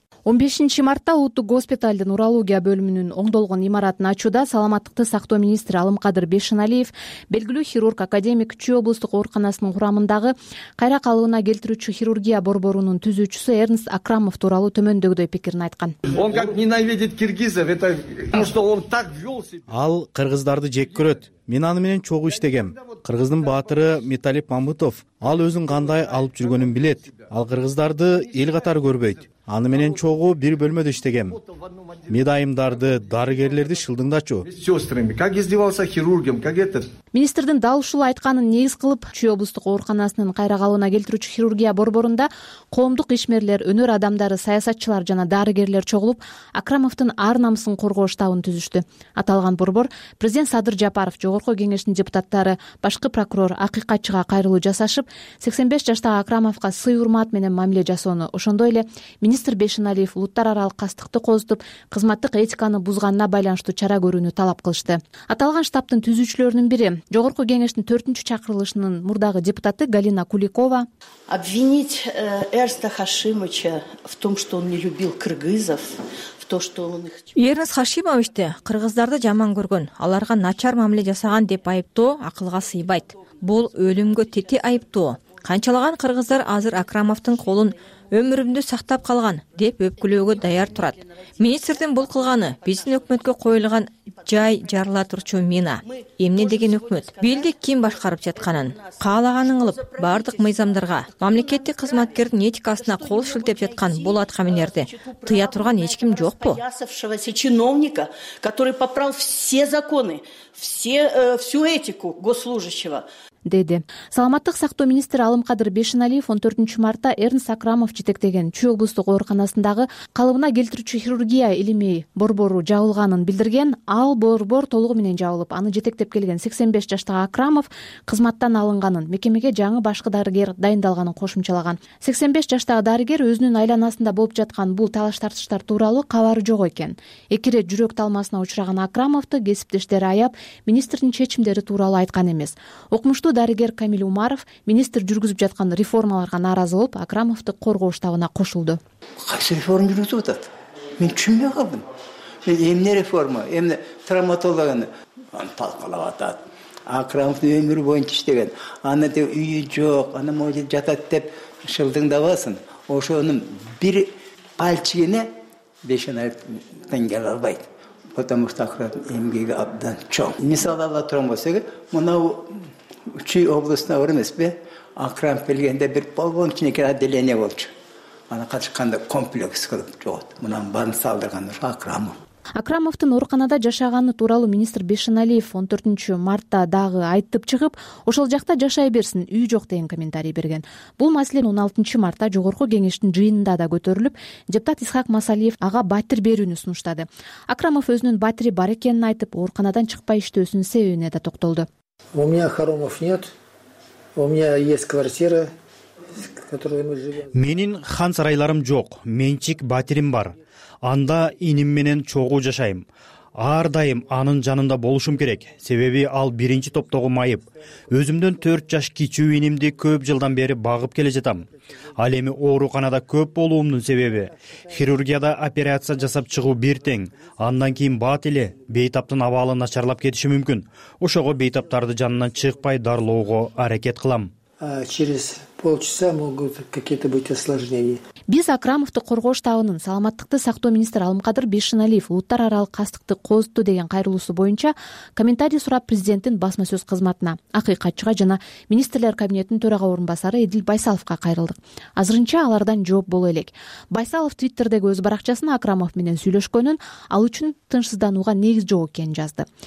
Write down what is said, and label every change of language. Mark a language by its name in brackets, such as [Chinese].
[Kyrgyz] 15 мартта улуттук госпиталдын урология бөлүмүнүн оңдолгон имаратын ачууда саламаттыкты сактоо министри Алымкадыр Бешиналиев белгилүү хирург академик Чүй облустук ооруканасынын курамындагы кайра калыбына келтирүүчү хирургия борборунун түзүүчүсү Эрнст Акрамов тууралуу төмөндөгүдөй пикирин айткан. [Russian] Он как ненавидит киргизов, это потому что он так вёл себя. [Kyrgyz] Ал кыргыздарды жек көрөт. Мен аны менен чогуу иштегем. Кыргыздын баатыры Металип Мамытов, ал өзүн кандай алып жүргөнүн билет. Ал кыргыздарды эл катары көрбөйт. Аны менен чогуу бир бөлмөдө иштегем. Медайымдарды, дарыгерлерди шылдыңдачу. [Russian] Сестрами, как издевался хирургом, как это? [Kyrgyz] Министрдин дал ушул айтканын негиз кылып, Чүй облустук ооруканасынын кайра калыбына келтирүүчү хирургия борборунда коомдук ишмерлер, өнөр адамдары, саясатчылар жана дарыгерлер чогулуп, Акрамовдун ар намысын коргоо штабын түзүштү. Аталган борбор президент Садыр Жапаров, Жогорку кеңештин депутаттары, башкы прокурор, акыйкатчыга кайрылуу жасашып, 85 жаштагы Акрамовго сый урмат менен мамиле жасоону, ошондой эле министр Бешиналиев улуттар аралык кастыкты козутуп, кызматтык этиканы бузганына байланыштуу чара көрүүнү талап кылышты. Аталган штабтын түзүүчүлөрүнүн бири Жогорку кеңештин 4-чү чакырылышынын мурдагы депутаты Галина Куликова. [Russian] Обвинить Эрнста Хашимовича в том, что он не любил кыргызов, в том, что он их [Kyrgyz] Эрнст Хашимовичти кыргыздарды жаман көргөн, аларга начар мамиле жасаган деп айыптоо акылга сыйбайт. Бул өлүмгө тети айыптоо. Канчалаган кыргыздар азыр Акрамовдун колун өмүрүмдү сактап калган деп өпкүлөөгө даяр турат. Министрдин бул кылганы биздин өкмөткө коюлган жай жарыла турчу мина. Эмне деген өкмөт? Билдик ким башкарып жатканын, каалаганын кылып, бардык мыйзамдарга, мамлекеттик кызматкердин этикасына кол шилтеп жаткан бул атканминерди тыя турган эч ким жокпу? [Russian] Чиновника, который поправил все законы, всю этику госслужащего. [Kyrgyz] Деди. Саламаттык сактоо министри Алымкадыр Бешиналиев 14 мартта Эрнст Акрамов жетектеген Чүй облустук ооруканасындагы калыбына келтирүүчү хирургия илими борбору жабылганын билдирген. Ал борбор толугу менен жабылып, аны жетектеп келген 85 жаштагы Акрамов кызматтан алынганын, мекемеге жаңы башкы дарыгер дайындалганын кошумчалаган. 85 жаштагы дарыгер өзүнүн айланасында болуп жаткан бул талаш тартыштар тууралуу кабары жок экен. Эки ирет жүрөк талмасына учураган Акрамовду кесиптештери аяп, министрдин чечимдери тууралуу айткан эмес. Укмуштуу дарыгер Камиль Умаров министр жүргүзүп жаткан реформаларга нааразы болуп, Акрамовду коргоо штабына кошулду. Кайсы реформа жүргүзүп атат? Мен түшүнбөй калдым. Эмне реформа? Эмне травматологияны талкалап атат? Акрамовду өмүр боюнча иштеген, анын үйү жок, анын мойнунда жатат деп шылдыңдабасың. Ошонун бир пальчигине 5000 теңге ала албайт. [Russian] Потому что [Kyrgyz] Акрамовдун эмгеги абдан чоң. Мисалы ала турган болсок, мынау Чүй областына бар эмеспи? Акрамов келгенде бир болгон кичинекей отделение болчу. Анан катышканда комплекс кылып жогот. Мунун баарын салдырган Акрамов. Акрамовдун ооруканада жашаганы тууралуу министр Бешиналиев 14 мартта дагы айтып чыгып, ошол жакта жашай берсин, үйү жок деген комментарий берген. Бул маселе 16 мартта жогорку кеңештин жыйынында да көтөрүлүп, депутат Исхак Масалиев ага батир берүүнү сунуштады. Акрамов өзүнүн батири бар экенин айтып, ооруканадан чыкпай иштөөсүнүн себебине да токтолду. [Russian] У меня хоромов нет. У меня есть квартира, в которой мы живем. [Kyrgyz] Менин хан сарайларым жок. Менчик батирим бар. Анда иним менен чогуу жашайм. Ар дайым анын жанында болушум керек. Себеби ал биринчи топтогу майып. Өзүмдөн 4 жаш кичүү инимди көп жылдан бери багып келе жатам. Ал эми ооруканада көп болуумдун себеби хирургияда операция жасап чыгуу бир тең. Андан кийин бат эле бейтаптын абалы начарлап кетиши мүмкүн. Ошого бейтаптарды жанынан чыкпай дарылоого аракет кылам. [Russian] Через полчаса могут какие-то быть осложнения. [Kyrgyz] Биз Акрамовду коргоо штабынын саламаттыкты сактоо министри Алымкадыр Бешиналиев улуттар аралык кастыкты козутту деген кайрылуусу боюнча комментарий сурап президенттин басма сөз кызматына, акыйкатчыга жана министрлер кабинетинин төрага орун басары Эдил Байсаловко кайрылдык. Азырынча алардан жооп боло элек. Байсалов твиттердеги өз баракчасына Акрамов менен сүйлөшкөнүн ал үчүн тынчсызданууга негиз жок экенин жазды.